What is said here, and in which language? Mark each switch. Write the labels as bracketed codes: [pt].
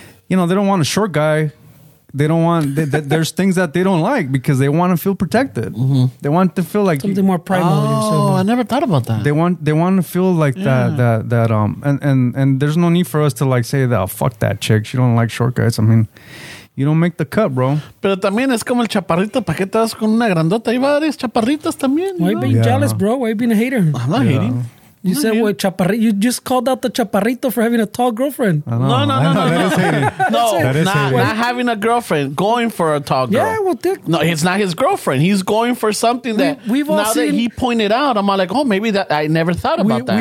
[en] You know, they don't want a short guy. They don't want, there's things that they don't like because they want to feel protected. Mm-hmm. They want to feel like something more primal. Oh, I never thought about that. They want to feel like that, and there's no need for us to like say that, oh, fuck that chick. She don't like short guys. I mean, you don't make the cut, bro. [es] Pero también es como el chaparrito. ¿Para qué te vas con una grandota? Hay varias chaparritas también. [en] Why being jealous, bro? Why being a hater? I'm not hating. You said what chaparrito? You just called out the chaparrito for having a tall girlfriend. No, not having a girlfriend, going for a tall girl. Yeah, well, no, it's not his girlfriend. He's going for something that he pointed out. I'm like, oh, maybe that I never thought about that.